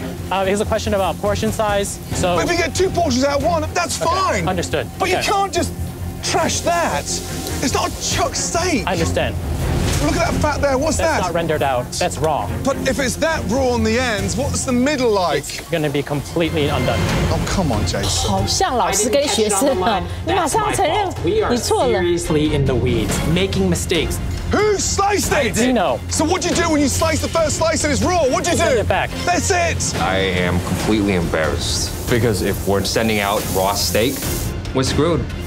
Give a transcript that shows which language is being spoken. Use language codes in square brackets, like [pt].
[en] Here's a question about portion size. So if you get two portions out of one, that's okay, fine. Understood. But okay, you can't just trash that. It's not a chuck steak. I understand. Look at that fat there. What's that? That's not rendered out. That's raw. But if it's that raw on the ends, what's the middle like? It's going to be completely undone. Oh, come on, Jason. [zh] 好像老师跟学生啊，你马上要承认你错了。 [en] We are seriously in the weeds, making mistakes. Who sliced it? Gino. So what do you do when you slice the first slice and it's raw? What do you do? Send it back. That's it. I am completely embarrassed because if we're sending out raw steak, we're screwed.